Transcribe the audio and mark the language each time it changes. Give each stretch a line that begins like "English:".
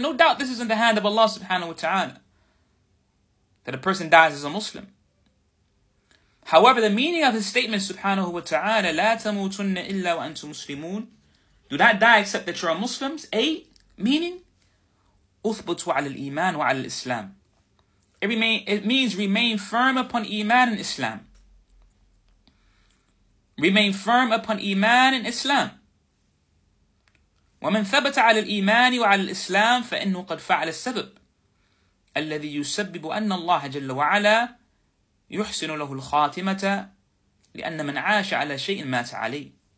English: No doubt this is in the hand of Allah subhanahu wa ta'ala. That a person dies as a Muslim. However, the meaning of his statement subhanahu wa ta'ala,
Arabic: لا تموتن إلا وأنتم مسلمون.
English: Do not die except that you are Muslims. A meaning,
Arabic: أثبتوا على الإيمان وعلى الإسلام.
English: It means remain firm upon Iman and Islam. Remain firm upon Iman and Islam.
Arabic: وَمَنْ ثَبَتَ عَلَى الْإِيمَانِ وَعَلَى الْإِسْلَامِ فَإِنُّهُ قَدْ فَعَلَ السَّبَبِ الَّذِي يُسَبِّبُ أَنَّ اللَّهَ جَلَّ وَعَلَى يُحْسِنُ لَهُ الْخَاتِمَةَ لِأَنَّ مَنْ عَاشَ عَلَى شَيْءٍ مَاتَ عَلَيْهِ.